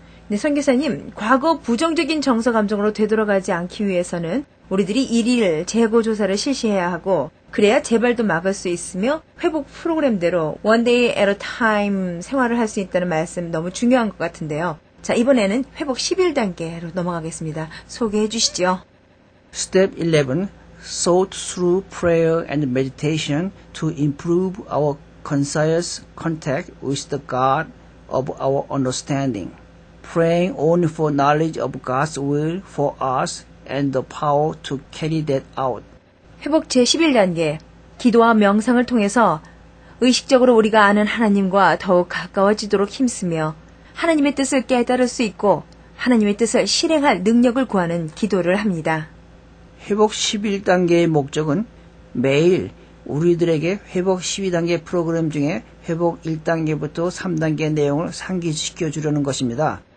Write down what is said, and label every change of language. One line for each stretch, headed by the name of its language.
Korean: 네, 선교사님, 과거 부정적인 정서감정으로 되돌아가지 않기 위해서는 우리들이 일일 재고조사를 실시해야 하고 그래야 재발도 막을 수 있으며 회복 프로그램대로
English: one day at a time
Korean: 생활을 할 수 있다는 말씀 너무 중요한 것 같은데요. 자, 이번에는 회복 11단계로 넘어가겠습니다. 소개해 주시죠.
English: Step 11, thought through prayer and meditation to improve our conscious contact with the God of our understanding. Praying only for knowledge of God's will for us and the power to carry that out.
Korean: 회복 제11단계, 기도와 명상을 통해서 의식적으로 우리가 아는 하나님과 더욱 가까워지도록 힘쓰며 하나님의 뜻을 깨달을 수 있고 하나님의 뜻을 실행할 능력을 구하는 기도를 합니다. 회복 11단계의 목적은 매일 우리들에게 회복 12단계 프로그램 중에 회복 1단계부터 3단계 내용을 상기시켜주려는 것입니다.